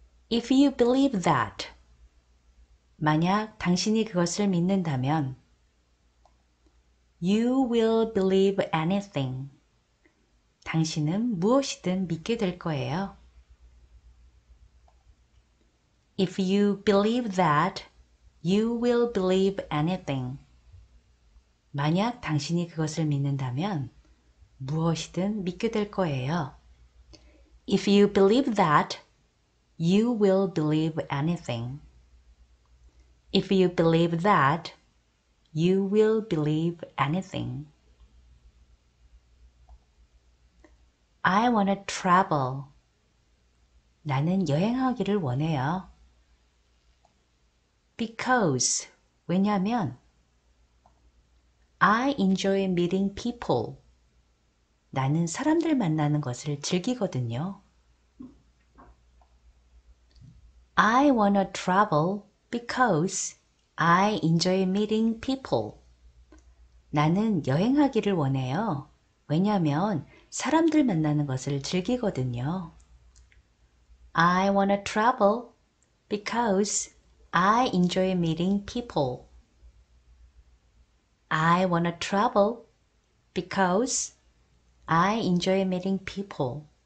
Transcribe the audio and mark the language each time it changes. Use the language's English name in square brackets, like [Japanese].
[English] If you believe that, [Korean] 만약 당신이 그것을 믿는다면, [English] You will believe anything. [Korean] 당신은 무엇이든 믿게 될 거예요. [English] If you believe that, you will believe anything. [Korean] 만약 당신이 그것을 믿는다면 무엇이든 믿게 될 거예요. [English] If you believe that, you will believe anything. If you believe that, you will believe anything. I want to travel. [Korean] 나는 여행하기를 원해요. [English] Because, [Korean] 왜냐면, [English] I enjoy meeting people. [Korean] 나는 사람들 만나는 것을 즐기거든요. [English] I want to travel because I enjoy meeting people. [Korean] 나는 여행하기를 원해요. 왜냐면 사람들 만나는 것을 즐기거든요. [English] I want to travel because I enjoy meeting people. I want to travel because I enjoy meeting people.